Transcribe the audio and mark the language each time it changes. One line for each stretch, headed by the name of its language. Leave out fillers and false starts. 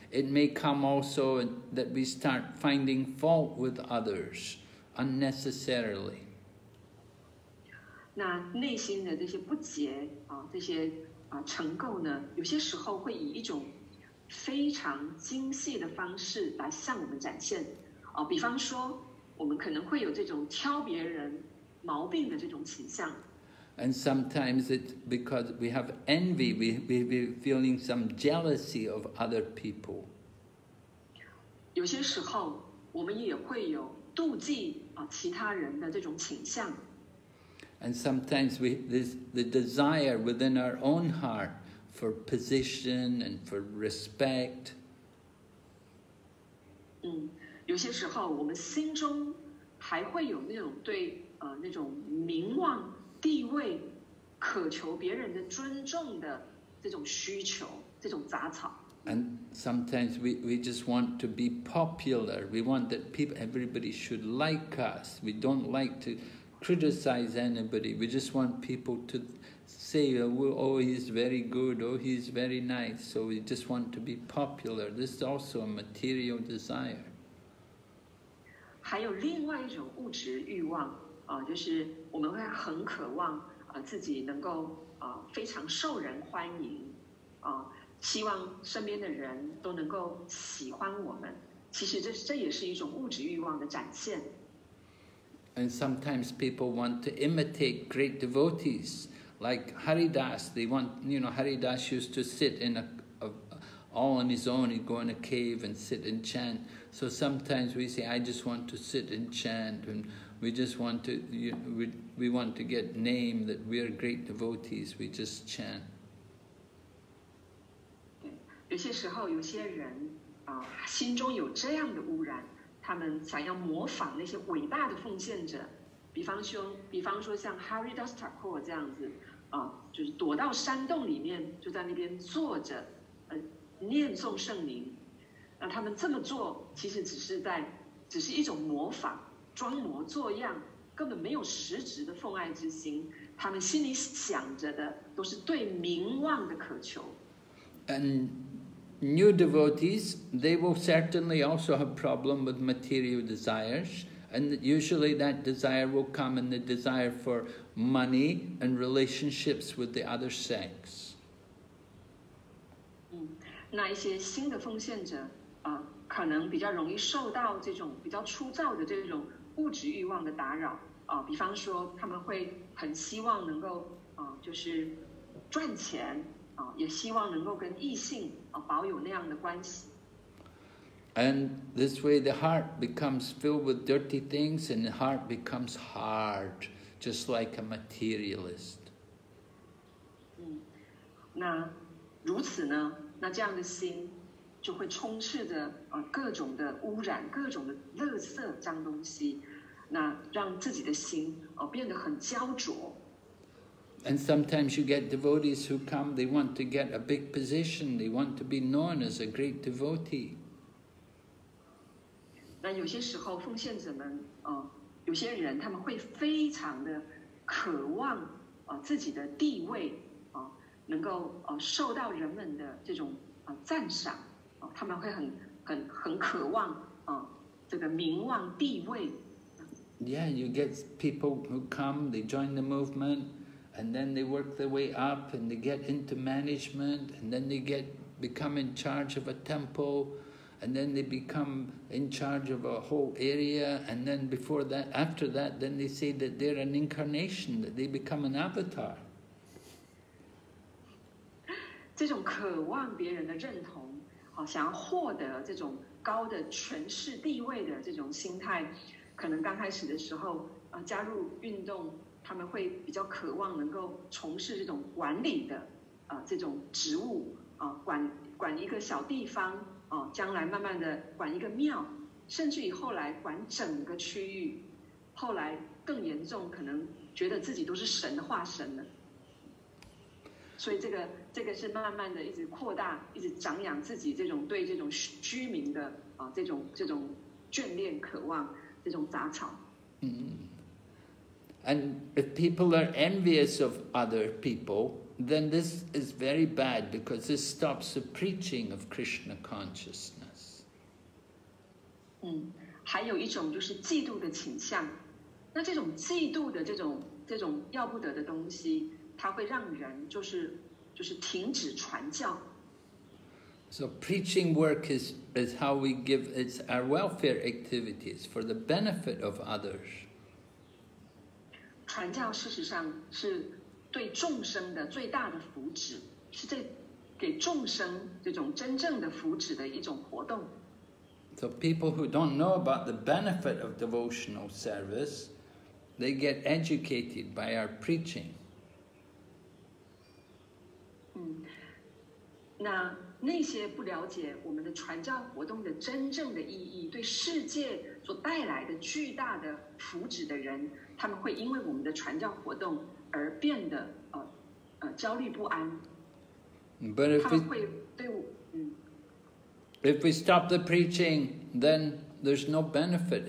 English: It may come also that we start finding fault with others unnecessarily.
Chinese: 那内心的这些不洁这些尘垢呢，有些时候会以一种非常精细的方式来向我们展现。比方说，我们可能会有这种挑别人毛病的这种倾向。
English: And sometimes it's because we have envy, we're feeling some jealousy of other people.
Chinese: 有些时候我们也会有妒忌其他人的这种倾向。
English: And sometimes the desire within our own heart for position and for respect.
Chinese: 有些时候我们心中还会有那种对那种名望地位渴求别人的尊重的这种需求，这种杂草。
English: And sometimes we just want to be popular. We want that people, everybody should like us. We don't like to criticize anybody. We just want people to say, oh, he's very good. Oh, he's very nice. So we just want to be popular. This is also a material desire.
Chinese: 还有另外一种物质欲望。就是我们会很渴望自己能够非常受人欢迎希望身边的人都能够喜欢我们，其实这也是一种物质欲望的展现。
English: And sometimes people want to imitate great devotees like Haridas. They want, you know, Haridas used to sit in all on his own, he'd go in a cave and sit and chant. So sometimes we say, I just want to sit and chant, andWe just want to, we want to get name that we are great devotees. We just chant.
Chinese: 对，有些时候有些人心中有这样的污染，他们想要模仿那些伟大的奉献者，比方说像 Haridas Thakur 这样子就是躲到山洞里面，就在那边坐着念诵圣名。那他们这么做，其实只是一种模仿。装模作样，根本没有实质的奉爱之心。他们心里想着的都是对名望的渴求。
English: And new devotees, they will certainly also have problem with material desires, and usually that desire will come in the desire for money and relationships with the other sex.
Chinese: 那一些新的奉献者可能比较容易受到这种比较粗糙的这种。物质欲望的打扰比方说他们会很希望能够就是赚钱也希望能够跟异性保有那样的关系。
English: And this way the heart becomes filled with dirty things and the heart becomes hard, just like a materialist.
Chinese: 那如此呢，那这样的心就会充斥着各种的污染，各种的垃圾脏东西，那让自己的心变得很焦灼。
English: And sometimes you get devotees who come, they want to get a big position, they want to be known as a great devotee.
Chinese: 那有些时候奉献者们有些人他们会非常的渴望自己的地位能够受到人们的这种赞赏。他们会很渴望这个名望地位。
English: Yeah, you get people who come, they join the movement, and then they work their way up, and they get into management, and then they become in charge of a temple, and then they become in charge of a whole area, and then before that, after that, then they say that they're an incarnation, that they become an avatar.
Chinese: 这种渴望别人的认同，想要获得这种高的权势地位的这种心态。可能刚开始的时候、加入运动，他们会比较渴望能够从事这种管理的、这种职务、管一个小地方、将来慢慢的管一个庙，甚至于后来管整个区域，后来更严重，可能觉得自己都是神的化身了。所以这个是慢慢的一直扩大，一直长养自己这种对这种居民的、这种眷恋渴望，这种杂草。嗯。
English: And if people are envious of other people, then this is very bad because this stops the preaching of Krishna consciousness.
Chinese: 嗯，还有一种就是嫉妒的倾向。那这种嫉妒的这种要不得的东西，它会让人就是停止传教。
English: So preaching work is how we give it's our welfare activities for the benefit of others.
Chinese: 传教事实上是对众生的最大的福祉，是这给众生这种真正的福祉的一种活动。
English: So people who don't know about the benefit of devotional service, they get educated by our preaching.
Chinese: 嗯，那些不了解我们的传教活动的真正的意义，对世界所带来的巨大的福祉的人。他们会因为我们的传教活动而变得焦虑不安。
English: But if we,
Chinese: 他们会对我，嗯。
English: If we stop the preaching, then there's no benefit.